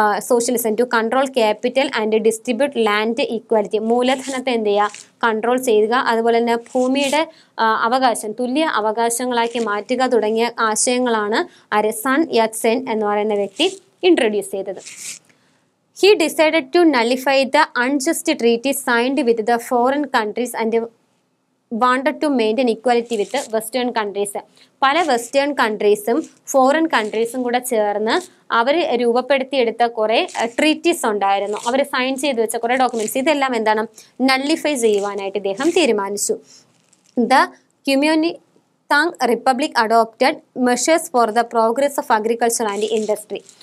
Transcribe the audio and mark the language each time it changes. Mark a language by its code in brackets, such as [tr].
[en] Socialism to control capital and distribute land equality. [ml] മൂലധനത്തെ എന്ത് ചെയ്യുക, control ചെയ്യുക, അതുപോലെ തന്നെ ഭൂമിയുടെ അവകാശം തുല്യ അവകാശങ്ങളാക്കി മാറ്റുക തുടങ്ങിയ ആശയങ്ങളാണ് ആര്, സൺ യാറ്റ്സെൻ എന്ന് പറയുന്ന വ്യക്തി ഇൻട്രൊഡ്യൂസ് ചെയ്തത്. [en] He decided to nullify the unjust treaty signed with the foreign countries and wanted to maintain equality with the Western countries. [ml] പല വെസ്റ്റേൺ കൺട്രീസും ഫോറിൻ കൺട്രീസും കൂടെ ചേർന്ന് അവർ രൂപപ്പെടുത്തിയെടുത്ത കുറേ ട്രീറ്റീസ് ഉണ്ടായിരുന്നു, അവർ സൈൻ ചെയ്ത് വെച്ച കുറേ ഡോക്യുമെൻറ്റ്സ്, ഇതെല്ലാം എന്താണ് നല്ലിഫൈ ചെയ്യുവാനായിട്ട് ഇദ്ദേഹം തീരുമാനിച്ചു. [en] The communist republic adopted measures for the progress of agriculture and industry.